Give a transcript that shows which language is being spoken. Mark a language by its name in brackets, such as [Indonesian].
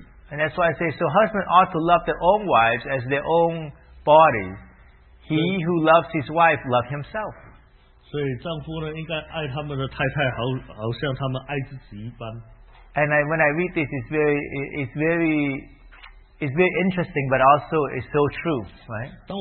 [English] and that's why I say, so husbands ought to love their own wives as their own body. He who loves his wife loves himself. [Chinese] 所以丈夫呢, 应该爱他们的太太好, 好像他们爱自己一般。 [English] And when I read this, it's very interesting, but also it's so true, right?